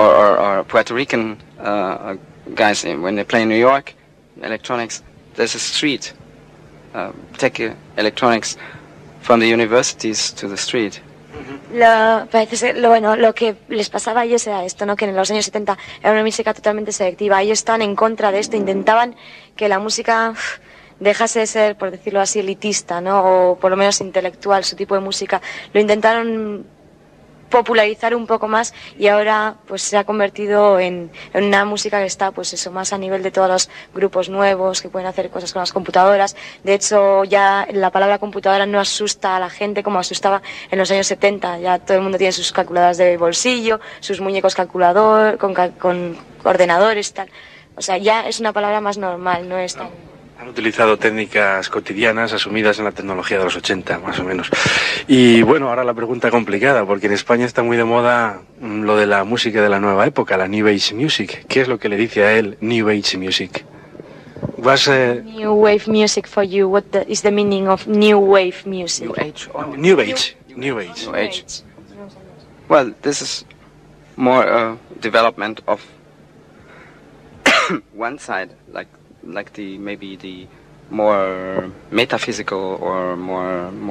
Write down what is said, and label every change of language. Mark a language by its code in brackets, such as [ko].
[en] or Puerto Rican guys, when they play in New York electronics, there's a street, take electronics from the universities to the street. [es] Lo parece ser, lo bueno, lo que les pasaba a ellos era esto, ¿no? Que en los años 70 era una música totalmente selectiva. Ellos están en contra de esto, intentaban que la música dejase de ser, por decirlo así, elitista, ¿no? O por lo menos intelectual, su tipo de música. Lo intentaron popularizar un poco más y ahora pues se ha convertido en una música que está, pues eso, más a nivel de todos los grupos nuevos que pueden hacer cosas con las computadoras. De hecho, ya la palabra computadora no asusta a la gente como asustaba en los años 70. Ya todo el mundo tiene sus calculadoras de bolsillo, sus muñecos calculador, con ordenadores y tal. O sea, ya es una palabra más normal, no es tan... Han utilizado técnicas cotidianas asumidas en la tecnología de los 80, más o menos. Y bueno, ahora la pregunta complicada, porque en España está muy de moda lo de la música de la nueva época, la New Age Music. ¿Qué es lo que le dice a él New Age Music? [en] New Wave Music for you. What is the meaning of New Wave Music? New Age. New Age. New Age. Well, this is more a development of one side, like the maybe the more metaphysical or more